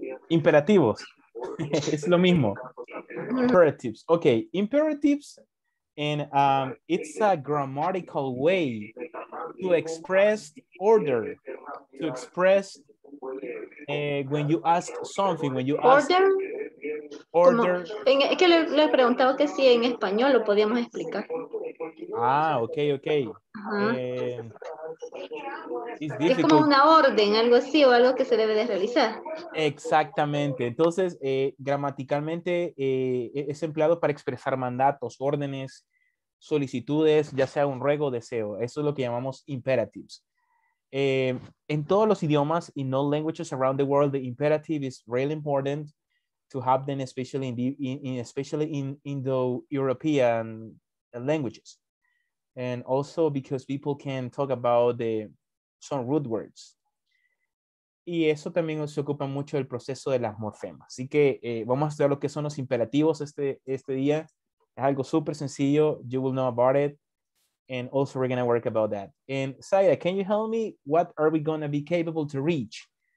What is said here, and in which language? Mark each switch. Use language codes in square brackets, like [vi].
[es] Imperativos. Es lo mismo. Imperatives. Okay. Imperatives. [en] And it's a grammatical way to express order, to express when you ask something, when you ask. Order? Order. [es] En, es que le he preguntado que si en español lo podíamos explicar. Ah, okay, okay. Es como una orden, algo así o algo que se debe de realizar. Exactamente. Entonces, gramaticalmente es empleado para expresar mandatos, órdenes, solicitudes, ya sea un ruego o deseo. Eso es lo que llamamos imperatives. En todos los idiomas, [en] in all languages around the world, the imperative is really important to have them, especially in Indo-European languages. And also because people can talk about some root words. [es] Y eso también se ocupa mucho del proceso de las morfemas. Así que vamos a estudiar lo que son los imperativos este día. Es algo súper sencillo. [en] You will know about it. And also we're going to work about that. And Saida, can you help me? What are we going to be capable to reach?